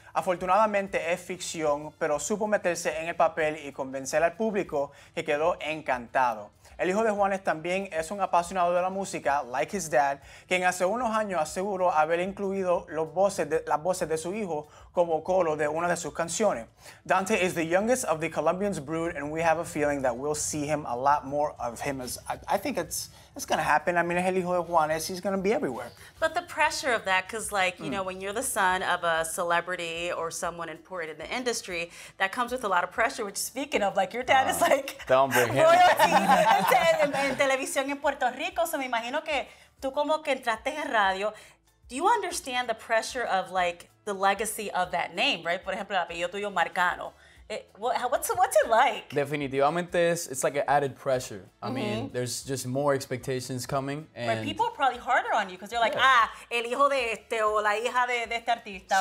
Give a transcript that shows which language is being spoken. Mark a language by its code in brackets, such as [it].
[es] Afortunadamente es ficción, pero supo meterse en el papel y convencer al público que quedó encantado. El hijo de Juanes también es un apasionado de la música, [en] like his dad, [es] quien hace unos años aseguró haber incluido las voces de su hijo como coro de una de sus canciones. [en] Dante is the youngest of the Colombians' brood, and we have a feeling that we'll see him a lot more of him. I think it's going to happen. I mean, [es] es el hijo de Juanes, [en] he's going to be everywhere. But the pressure of that, because like, you know, when you're the son of a celebrity or someone important in the industry, that comes with a lot of pressure, which speaking of, like, your dad is like... Don't bring him. [es] En televisión en Puerto Rico, so me imagino que tú como que entraste en radio. [en] Do you understand the pressure of like the legacy of that name, right? [es] Por ejemplo, el apellido tuyo Marcano. [en] What's it like? [es] Definitivamente, [en] it's like an added pressure. I mean, there's just more expectations coming. And right, people are probably harder on you because they're like, yeah. [es] El hijo de este o la hija de este artista